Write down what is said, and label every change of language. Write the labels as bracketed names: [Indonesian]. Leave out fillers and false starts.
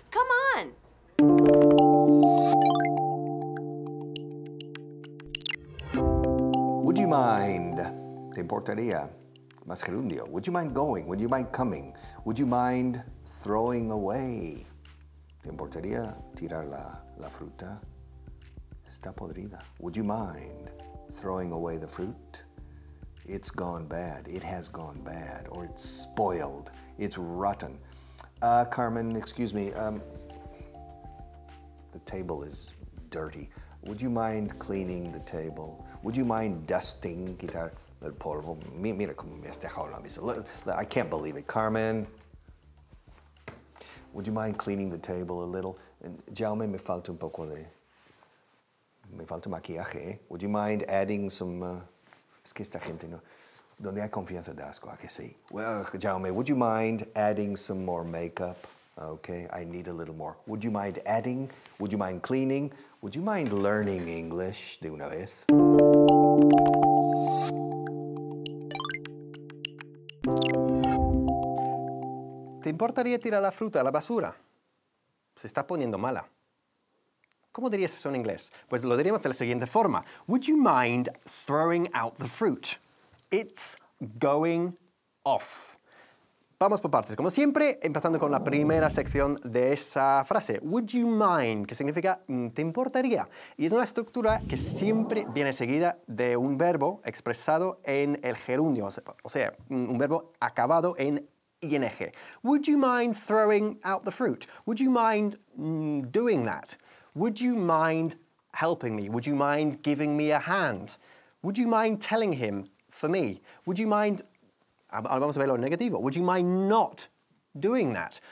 [English] Come on! Would you mind, [Spanish] te importaría, más gerundio, [English] would you mind going, would you mind coming, would you mind throwing away? [Spanish] Te importaría tirar la fruta? Está podrida. [English] Would you mind throwing away the fruit? It's gone bad, it has gone bad, or it's spoiled, it's rotten. Carmen, excuse me, the table is dirty. Would you mind cleaning the table? Would you mind dusting, [Spanish] quitar el polvo? Mira cómo me has dejado la mesa. [English] I can't believe it, Carmen. Would you mind cleaning the table a little? [Spanish] Jaume, me falta un poco de, me falta maquillaje. [English] Would you mind adding some, [Spanish] es que esta gente no, donde hay confianza de asco, ¿a que sí? [English] Well, Jaume, would you mind adding some more makeup? Okay, I need a little more. Would you mind adding? Would you mind cleaning? Would you mind learning English [Spanish] de una vez? ¿Te importaría tirar la fruta a la basura? Se está poniendo mala. ¿Cómo dirías eso en inglés? Pues lo diríamos de la siguiente forma. [English] Would you mind throwing out the fruit? It's going off. [Spanish] Vamos por partes. Como siempre, empezando con la primera sección de esa frase. [English] Would you mind, [Spanish] que significa te importaría. Y es una estructura que siempre viene seguida de un verbo expresado en el gerundio. O sea, un verbo acabado en ing. [English] Would you mind throwing out the fruit? Would you mind doing that? Would you mind helping me? Would you mind giving me a hand? Would you mind telling him for me? Would you mind, [Spanish] vamos a verlo en negativo, [English] would you mind not doing that?